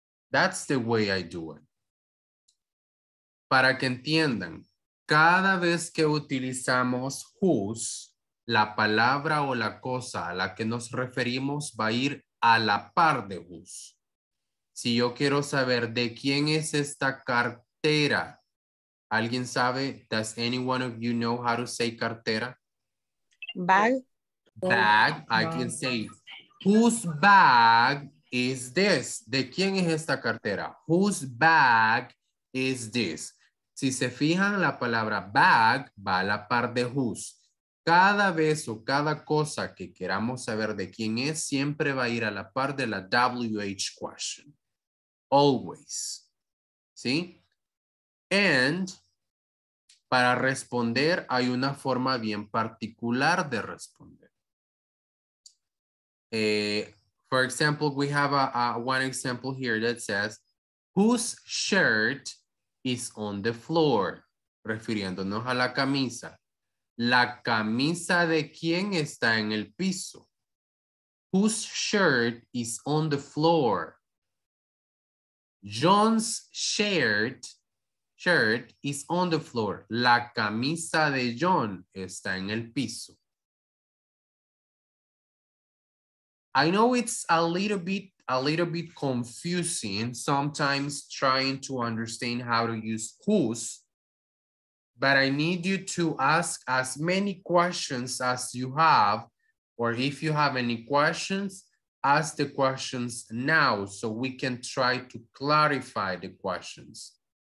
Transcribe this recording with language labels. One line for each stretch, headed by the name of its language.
English: That's the way I do it.
Spanish: Para que entiendan, cada vez que utilizamos whose, la palabra o la cosa a la que nos referimos va a ir a la par de whose. Si yo quiero saber de quién es esta cartera, ¿alguien sabe?
English: Does anyone of you know how to say cartera? Bag. Bag, I can say. Whose bag is this?
Spanish: ¿De quién es esta cartera?
English: Whose bag is this?
Spanish: Si se fijan, la palabra bag va a la par de whose. Cada vez o cada cosa que queramos saber de quién es, siempre va a ir a la par de la WH question.
English: Always.
Spanish: ¿Sí? And para responder, hay una forma bien particular de responder.
English: For example, we have one example here that says, whose shirt is on the floor?
Spanish: Refiriéndonos a la camisa. ¿La camisa de quién está en el piso?
English: Whose shirt is on the floor? John's shirt is on the floor.
Spanish: La camisa de John está en el piso.
English: I know it's a little bit confusing sometimes trying to understand how to use whose, but I need you to ask as many questions as you have, or if you have any questions, ask the questions now so we can try to clarify the questions.